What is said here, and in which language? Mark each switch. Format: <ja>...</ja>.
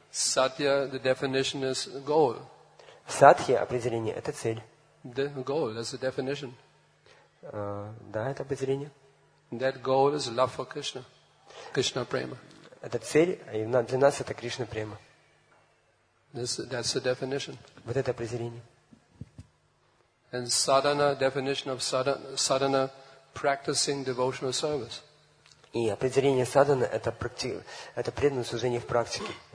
<en>Satya, the definition is goal.</en> <ru>Сатхи определение – это цель.</ru> <en>The goal, that's the definition.</en> <ru>Да, это определение.</ru> <en>That goal is love for Krishna, Krishna prema.</en> <ru>Это цель, а для нас это Кришна према.</ru> <en>That's the definition.</en> <ru>Вот это определение.</ru> <en>And sadhana, definition of sadhana, sadhana, practicing devotional service.</en> <ru>И определение садхана – это преданное служение в практике.</ru>